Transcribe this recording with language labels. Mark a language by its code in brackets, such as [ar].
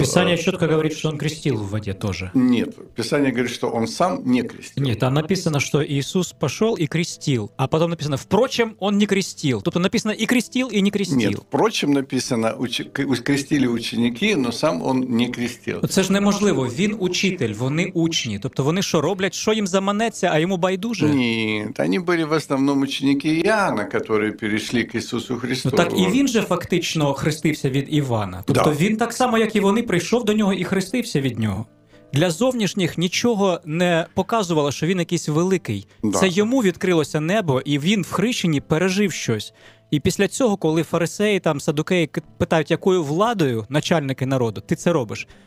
[ru] Писание четко говорит, что Он крестил в воде тоже. Нет, Писание говорит, что Он сам не крестил. Нет, там написано, что Иисус пошел и крестил, а потом написано, впрочем, Он не крестил. Тут написано и крестил, и не крестил. Нет, впрочем, написано, крестили ученики, но сам Он не крестил. [uk] Це ж неможливо. Він учитель, вони учні. Тобто вони що роблять, що їм заманеться, а йому байдуже? [ru] Нет, они были в основном ученики Иоанна, которые перешли к Иисусу Христу. [uk] Так и він же фактично хрестився від Івана. Тобто Він так само, як і вони, прийшов до нього і хрестився від нього. Для зовнішніх нічого не показувало, що він якийсь великий. [ru] Да. [uk] Це йому відкрилося небо, і він в хрещенні пережив щось. І після цього, коли фарисеї там садукеї питають, якою владою начальники народу, ти це робиш?